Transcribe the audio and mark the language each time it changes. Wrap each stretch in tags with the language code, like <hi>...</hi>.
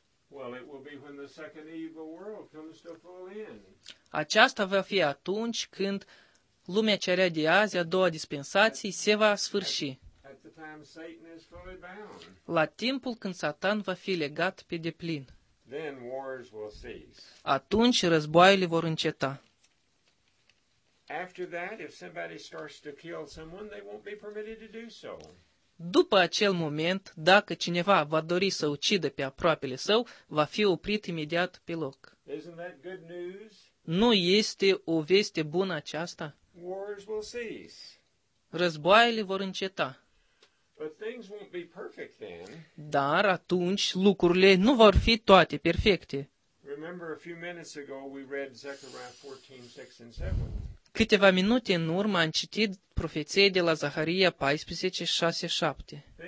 <en>Well, it will be when the second evil world comes to fall in.</en> <ro>Aceasta va fi atunci când lumea cea rea de azi, a doua dispensație, se va sfârși.</ro> <en>Time, Satan is fully bound.</en> <ro>La timpul când Satan va fi legat pe deplin.</ro> <en>Then wars will cease.</en> <ro>Atunci războaiele vor înceta.</ro> <en>After that, if somebody starts to kill someone, they won't be permitted to do so.</en> <ro>După acel moment, dacă cineva va dori să ucidă pe aproapele său, va fi oprit imediat pe loc.</ro> <en>Isn't that good news?</en> <ro>Nu este o veste bună aceasta?</ro> <en>Wars will cease.</en> <ro>Războaiele vor înceta.</ro> <en>But things won't be perfect then.</en> <ro>Dar atunci lucrurile nu vor fi toate perfecte.</ro> <en>Remember a few minutes ago we read Zechariah 14:6 and 7.</en> <ro>Câteva minute în urmă am citit profeția de la Zaharia 14:6-7.</ro>